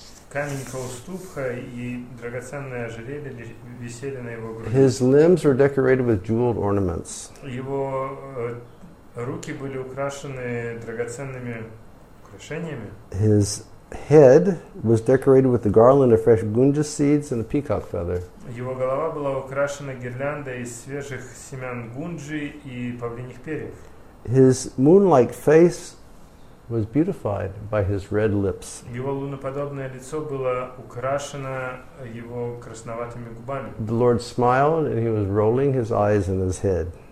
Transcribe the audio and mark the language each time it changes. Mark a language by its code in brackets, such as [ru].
[ru] Камень Каустубха и драгоценное ожерелье висели на его груди. [en] His limbs were decorated with jeweled ornaments. [ru] Его руки были украшены драгоценными украшениями. [en] His head was decorated with a garland of fresh gunja seeds and a peacock feather. [ru] Его голова была украшена гирляндой из свежих семян гунджи и павлиньих перьев. [en] His moon-like face was beautified by his red lips. [ru] Его луноподобное лицо было украшено его красноватыми губами. [en] The Lord smiled and he was rolling his eyes in his head.